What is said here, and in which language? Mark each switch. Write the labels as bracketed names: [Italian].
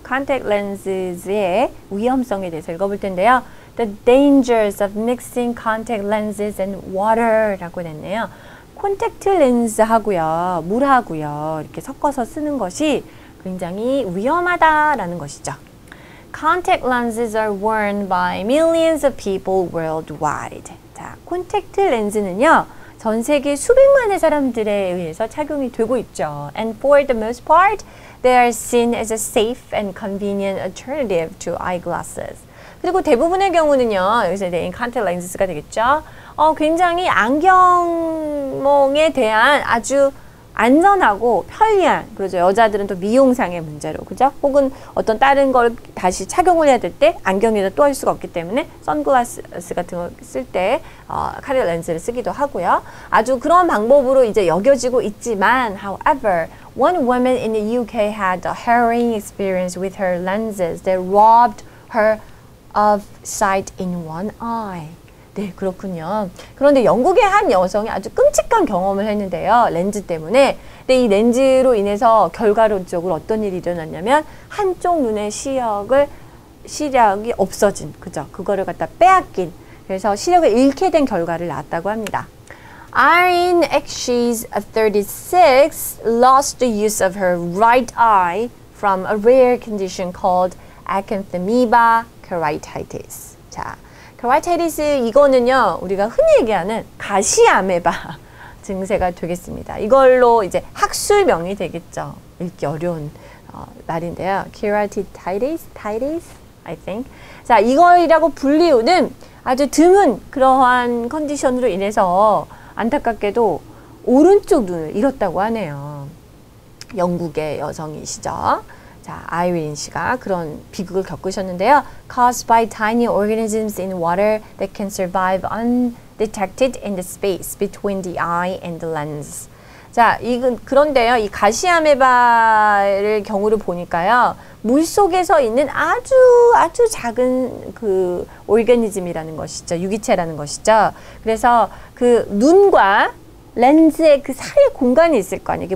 [Korean] 콘택트 렌즈의 위험성에 대해서 읽어볼 텐데요. [English] The dangers of mixing contact lenses and water 라고 했네요. [Korean] 콘택트 렌즈하고요, 물하고요, 이렇게 섞어서 쓰는 것이 굉장히 위험하다라는 것이죠. [English] Contact lenses are worn by millions of people worldwide. [Korean] 자, 콘택트 렌즈는요, 전 세계 수백만의 사람들에 의해서 착용이 되고 있죠. [English] And for the most part, they are seen as a safe and convenient alternative to eyeglasses. [Korean] 그리고 대부분의 경우는요, 여기서 이제 콘택트 렌즈가 되겠죠. 굉장히 안경멍에 대한 아주 안전하고 편리한, 그렇죠. 여자들은 또 미용상의 문제로, 그죠? 혹은 어떤 다른 걸 다시 착용을 해야 될 때, 안경이라도 또 할 수가 없기 때문에, 선글라스 같은 걸 쓸 때, 카리어 렌즈를 쓰기도 하고요. 아주 그런 방법으로 이제 여겨지고 있지만, [English] however, one woman in the UK had a harrowing experience with her lenses that robbed her of sight in one eye. [Korean] 네, 그렇군요. 그런데 영국의 한 여성이 아주 끔찍한 경험을 했는데요. 렌즈 때문에. 근데 이 렌즈로 인해서 결과론적으로 어떤 일이 일어났냐면 한쪽 눈의 시력이 없어진, 그죠? 그거를 갖다 빼앗긴. 그래서 시력을 잃게 된 결과를 낳았다고 합니다. [English] Irene Exshees of 36 lost the use of her right eye from a rare condition called acanthamoeba keratitis. [Korean] 자, 케라이타이티스, 이거는요, 우리가 흔히 얘기하는 가시아메바 증세가 되겠습니다. 이걸로 이제 학술명이 되겠죠. 읽기 어려운 말인데요. 케라이타이티스, [English] I think. [Korean] 자, 이거라고 불리우는 아주 드문 그러한 컨디션으로 인해서 안타깝게도 오른쪽 눈을 잃었다고 하네요. 영국의 여성이시죠. 자, 아이린 씨가 그런 비극을 겪으셨는데요. [English] Caused by tiny organisms in water that can survive undetected in the space between the eye and the lens. [Korean] 자, 그런데요. 이 가시아메바를 경우를 보니까요. 물 속에서 있는 아주 아주 작은 그 오르가니즘이라는 것이죠. 유기체라는 것이죠. 그래서 그 눈과 렌즈의 그 사이 공간이 있을 거 아니에요.